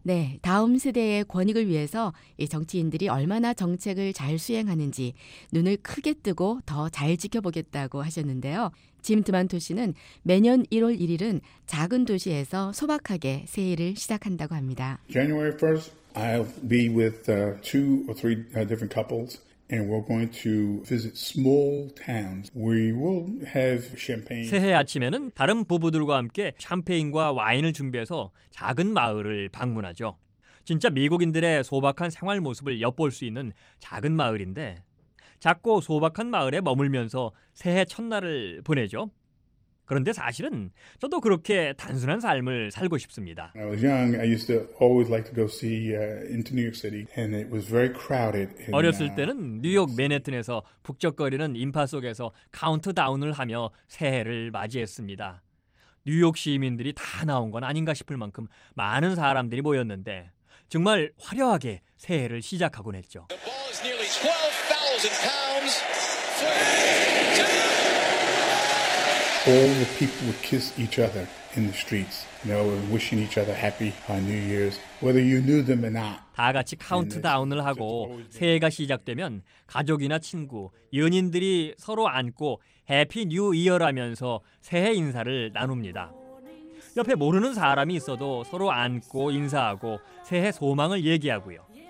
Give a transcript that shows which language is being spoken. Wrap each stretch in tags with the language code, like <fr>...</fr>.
<ko>네, 다음 세대의 권익을 위해서 이 정치인들이 얼마나 정책을 잘 수행하는지 눈을 크게 뜨고 더 잘 지켜보겠다고 하셨는데요. 짐 드만토 씨는 매년 1월 1일은 작은 도시에서 소박하게 새해를 시작한다고 합니다.</ko> <en>January 1st, I'll be with two or three different couples. And we're going to visit small towns. We will have champagne.</en> <ko>새해 아침에는 다른 부부들과 함께 샴페인과 와인을 준비해서 작은 마을을 방문하죠. 진짜 미국인들의 소박한 생활 모습을 엿볼 수 있는 작은 마을인데 작고 소박한 마을에 머물면서 새해 첫날을 보내죠. 그런데 사실은 저도 그렇게 단순한 삶을 살고 싶습니다.</ko> <en>I was young. I used to always like to go see into New York City, and it was very crowded.</en> <ko>어렸을 때는 뉴욕 맨해튼에서 북적거리는 인파 속에서 카운트다운을 하며 새해를 맞이했습니다. 뉴욕 시민들이 다 나온 건 아닌가 싶을 만큼 많은 사람들이 모였는데 정말 화려하게 새해를 시작하곤 했죠.</ko> <en>The ball is nearly 12,000 pounds. All the people would kiss each other in the streets, you know, wishing each other happy New Year's, whether you knew them or not.</en> <ko>다 같이 카운트다운을 하고 새해가 시작되면 가족이나 친구, 연인들이 서로 안고 해피 뉴 이어라면서 새해 인사를 나눕니다. 옆에 모르는 사람이 있어도 서로 안고 인사하고 새해 소망을 얘기하고요.</ko>